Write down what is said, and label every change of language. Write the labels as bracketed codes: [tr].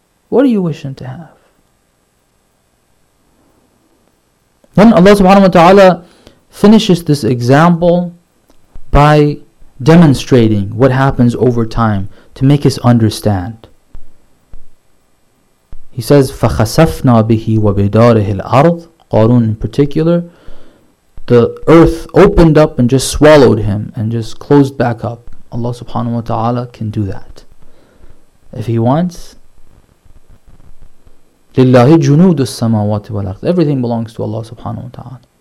[en] What are you wishing to have? Then Allah subhanahu wa ta'ala finishes this example by demonstrating what happens over time to make us understand. [ar] He says, فَخَسَفْنَا بِهِ وَبِدَارِهِ الْأَرْضِ. [en] Qarun in particular, the earth opened up and just swallowed him and just closed back up. Allah subhanahu wa ta'ala can do that if he wants. [ar] لِلَّهِ جُنُودُ السَّمَاوَاتِ وَالْأَرْضِ. [en] Everything belongs to Allah subhanahu wa ta'ala.